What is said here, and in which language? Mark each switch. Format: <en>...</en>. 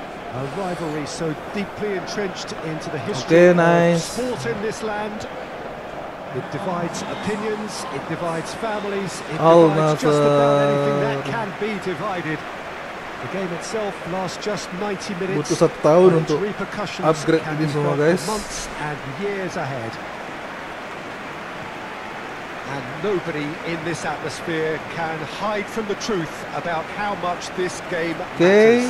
<en>A rivalry so deeply entrenched into the history okay, nice. Of sport in this land. It divides opinions, it divides families, it divides just about anything that can be divided. The game itself lasts just 90 minutes.</en> <id>Butuh setahun untuk upgrade ini semua guys.</id> <en>Months and years ahead. And nobody in this atmosphere can hide from the truth about how much this game okay.</en>